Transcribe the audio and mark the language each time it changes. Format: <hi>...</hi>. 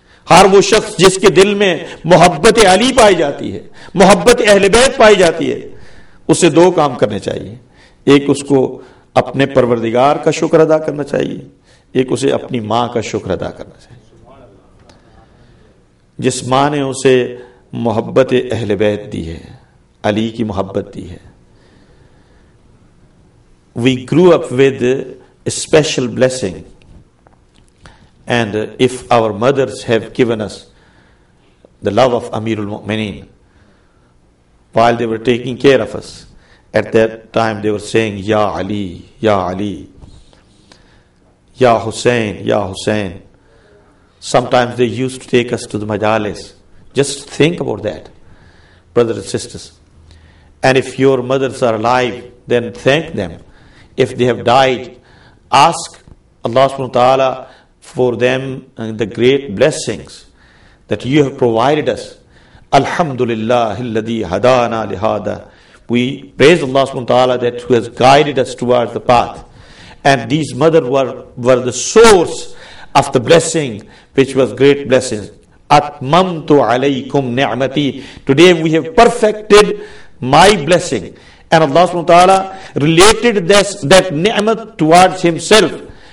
<ur>ہر وہ شخص جس کے دل میں محبت علی پائی جاتی ہے, محبت اہل بیت پائی جاتی ہے, اسے دو کام کرنے چاہیے. ایک اس کو اپنے پروردگار کا شکر ادا کرنا چاہیے, ایک اسے اپنی ماں کا شکر ادا کرنا چاہیے. جس ماں نے اسے محبت اہل بیت دی ہے, علی کی محبت دی ہے.</ur> <en>We grew up with special blessing and if our mothers have given us the love of امیر المؤمنین while they were taking care of us at that time they were seeing یا علی یا علی یا حسین یا Hussain. Sometimes they used to take us to the مجالس. Just think about that brother and sisters. And if your mothers are alive then thank them. If they have died ask Allah سبحانہ وتعالیٰ for them the great blessings that you have provided us.</en> <ar>الحمد للہ الذی ہدانا لہذا.</ar> <en>We praise Allah سبحانہ وتعالیٰ that he has guided us towards the path. And these mothers were the source of the blessing, which was great blessing.</en> <ar>Atmamtu alaykum ni'mati.</ar> <en>Today we have perfected my blessing. And Allah subhanahu wa ta'ala related that ni'mat towards himself.</en>